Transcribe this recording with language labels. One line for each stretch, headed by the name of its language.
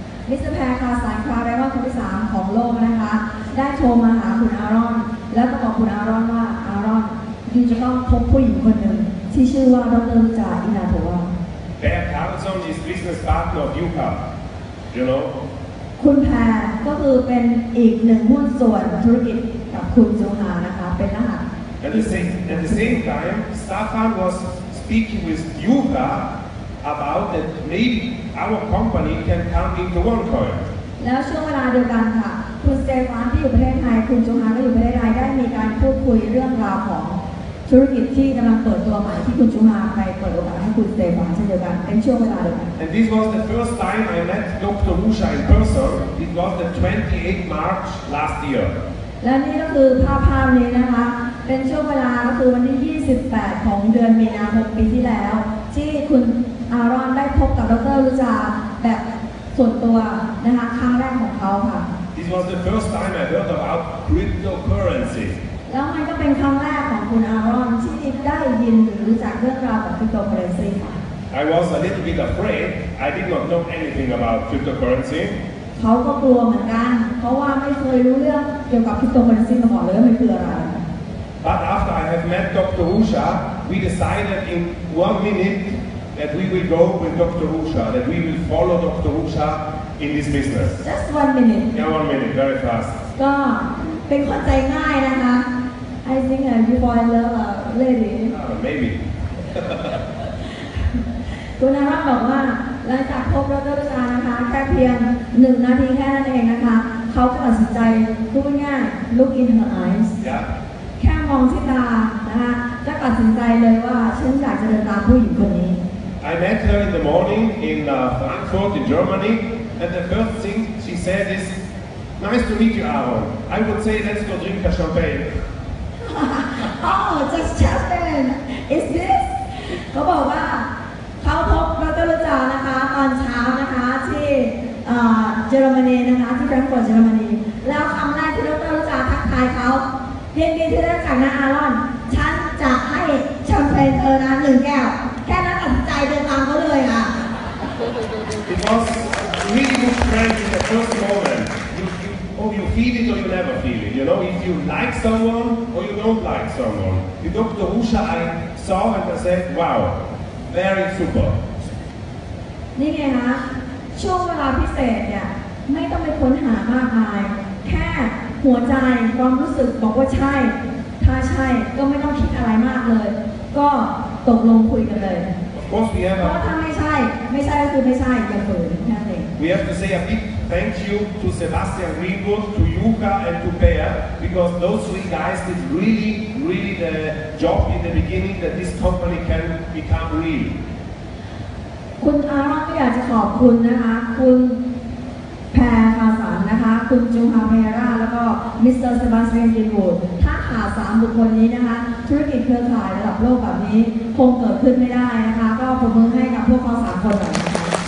Thai: Mr. Pair Carlson, ครับแปลว่าคนที่3ของโลกนะคะได้โทรมาหาคุณอารอนแล้วก็บอกคุณอารอนว่าอารอนคุณจะต้องพบผู้หญิงคนหนึ่งที่ชื่อว่าดร.
English: Usha Ignatova. Bert Carlson is business partner of Yuka. You know?
Thai: คุณแพรก็คือเป็นอีกหนึ่งหุ้นส่วนธุรกิจกับคุณจงหานะคะเป็นนัก
English: At the same time, Stefan was speaking with Yuka about that maybe our company can come into OneCoin.
Thai: แล้วช่วงเวลาเดียวกันค่ะคุณสเตฟานที่อยู่ประเทศไทยคุณจงฮาก็อยู่ประเทศไทยได้มีการพูดคุยเรื่องราวของธุรกิจที่กำลังเปิดตัวใหม่ที่คุณจงฮาไปเปิดโอกาสให้คุณสเตฟานเช่นเดียวกันเป็นช่วงเวลาเดียวกัน
English: And this was the first time I met Dr. Usha in person. It was the 28th March last year.
Thai: และนี่ก็คือภาพนี้นะคะเป็นช่วงเวลาก็คือวันที่28ของเดือนมีนาคมปีที่แล้วที่คุณอารอนได้พบกับดร. Usha แบบส่วนตัวนะคะครั้งแรกของเขาค่ะ
English: This was the first time I heard about cryptocurrency
Thai: แล้วมันก็เป็นครั้งแรกของคุณอารอนที่ได้ยินหรือรู้จักเรื่องราวของคริปโตเคอเรนซีค่ะ
English: I was a little bit afraid I did not know anything about cryptocurrency
Thai: เขาก็กลัวเหมือนกันเพราะว่าไม่เคยรู้เรื่องเกี่ยวกับคริปโตเคอเรนซีมาก่อนเลยว่ามันคืออะไร
English: But after I have met Dr. Usha we decided in 1 minute that we will go with Dr. Usha that we will follow Dr. Usha in this business Just 1 minute Yeah 1 minute very fast
Thai: ก็เป็นคนใจง่ายนะคะ
English: I think that you boy love a lady maybe
Thai: คุณอารอนบอกว่าหลังจากพบดร.Usha นะคะแค่เพียง1 นาทีแค่นั้นเองนะคะเขาก็ตัดสินใจพูดง่าย
English: look in her eyes
Thai: แค่มองที่ตานะคะก็ตัดสินใจเลยว่าฉันอยากจะเดินตามผู้หญิงคนนี้
English: I met her in the morning in Frankfurt in Germany and the first thing she said is nice to meet you Aaron I would say let's go drink a champagne oh just chatting is this
Thai: เขาบอกว่าเขาพบดร. Usha นะคะตอนเช้านะคะที่เยอรมนีนะคะที่แฟรงก์ฟอร์ตเยอรมนีแล้วคำแรกที่ดร. Usha ทักทายเขาเย็นดีที่ได้จากนายอารอนฉันจะให้แชมเปญเธอนะ1 แก้วแค่นั้นตัดใจเดินตามเขาเลยค่ะ
English: It was really good friends in the first moment you feel it or you never feel it you know if you like someone or you don't like someone the Dr. Usha I saw and I said wowvery super
Thai: นี่ไงคะช่วงเวลาพิเศษเนี่ยไม่ต้องไปค้นหามากมายแค่หัวใจความรู้สึกบอกว่าใช่ถ้าใช่ก็ไม่ต้องคิดอะไรมากเลยก็ตกลงคุยกันเลยก็ ถ้ าไม่ใช่ก็คือไม่ใช่อย่าฝืนแค่นั้นเอง
English: We have to say a big thank you to Sebastian Greenwood to Yuka and to Pear because those 3 guys did really really the job in the beginning that this company can become real
Thai: คุณอารอนก็อยากจะขอบคุณนะคะคุณแพร์คาสานนะคะคุณจูฮาเมราแล้วก็มิสเตอร์เซบาสเตียนกรีนวูดถ้าขาด3 บุคคลนี้นะคะ ธุรกิจเครือข่ายระดับโลกแบบนี้คงเกิดขึ้นไม่ได้นะคะก็ปรบมือให้กับพวกเขา3คนหน่อยนะคะ